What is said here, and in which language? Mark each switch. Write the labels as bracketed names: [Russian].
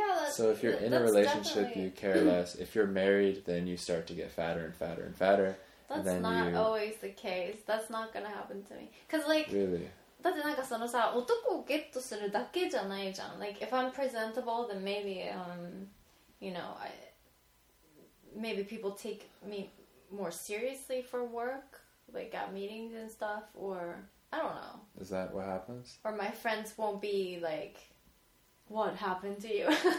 [English] so if you're in a relationship, definitely, you care less. If you're married, then you start to get fatter and fatter and fatter. That's not always the case. That's not gonna happen to me. Because, like, really? [Japanese] だってなんかそのさ、男をゲットするだけじゃないじゃん。 [English] Like, if I'm presentable, then maybe, you know, maybe people take me more seriously for work, like at meetings and stuff, or I don't know. Is that what happens? Or my friends won't be like, what happened to you?